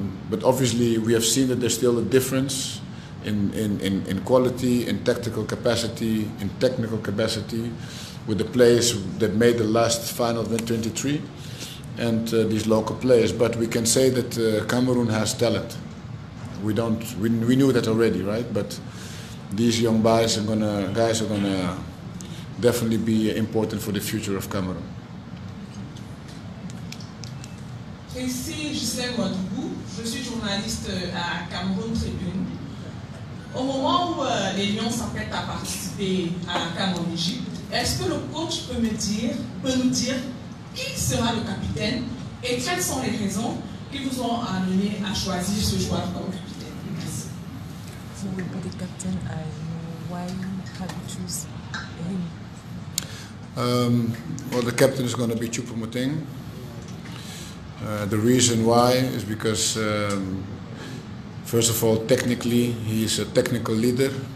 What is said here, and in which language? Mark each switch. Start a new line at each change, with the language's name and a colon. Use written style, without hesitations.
English: But obviously we have seen that there's still a difference in quality, in tactical capacity, in technical capacity with the players that made the last final of 23 and these local players. But we can say that Cameroon has talent. We knew that already, right? But these young guys are gonna definitely be important for the future of Cameroon.
French: Ici, Gisèle Ouadougou, je suis journaliste à Cameroun Tribune. Au moment où les Lions s'apprêtent à participer à la Cannes en Égypte, est-ce que le coach peut nous dire qui sera le capitaine et quelles sont les raisons qui vous ont amené à choisir ce joueur comme capitaine? Merci.
English: Who will be the captain and why have you choose him? Well, the captain is going to be Choupo-Moting. The reason why is because, first of all, technically, he's a technical leader.